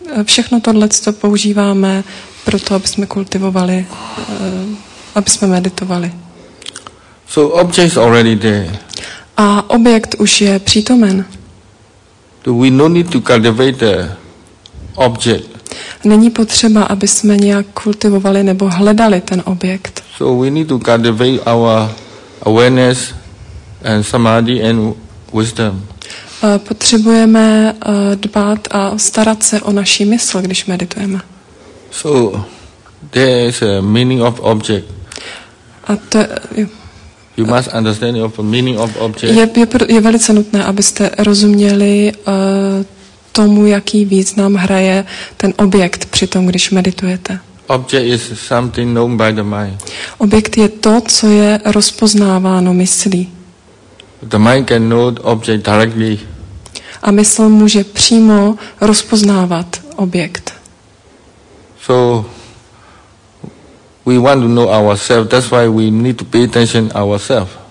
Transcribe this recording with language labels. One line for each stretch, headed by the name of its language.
Czech: Všechno tohle, co používáme pro to, aby jsme kultivovali, aby jsme meditovali.
English: So object is already there.
Czech: A objekt už je přítomen.
English: Do we no need to cultivate the object?
Czech: Není potřeba, aby jsme nějak kultivovali nebo hledali ten objekt.
English: So we need to cultivate our awareness and samadhi and wisdom.
Czech: Potřebujeme dbát a starat se o naši mysl, když meditujeme.
English: So there is a meaning of object.
Czech: A to
English: you must understand the meaning of object.
Czech: Je velice nutné, abyste rozuměli tomu, jaký význam hraje ten objekt při tom, když meditujete.
English: Object is something known by the mind.
Czech: Objekt je to, co je rozpoznáváno myslí.
English: The mind can know the object directly.
Czech: A mysl může přímo rozpoznávat objekt.
English: So we want to know ourselves. That's why we need to pay attention ourselves.